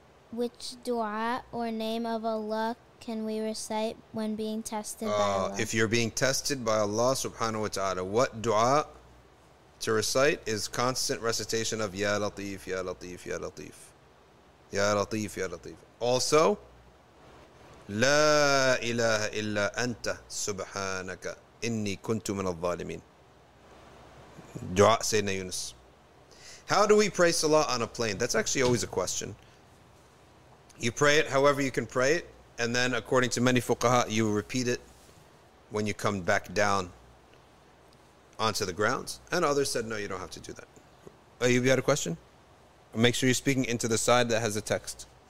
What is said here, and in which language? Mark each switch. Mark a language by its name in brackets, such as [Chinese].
[English] Which dua or name of Allah can we recite when being tested by Allah? If you're being tested by Allah subhanahu wa ta'ala, what dua to recite is constant recitation of Ya Latif, Ya Latif, Ya Latif. Ya Latif, Ya Latif. [Arabic] Also, لا إله إلا أنت سبحانك إني كنت من الظالمين. [English] Dua Sayyidina Yunus. How do we pray Salah on a plane? That's actually always a question. You pray it however you can pray it, and then according to many fuqaha, you repeat it when you come back down onto the ground. And others said, no, you don't have to do that. You had a question? Make sure you're speaking into the side that has a text.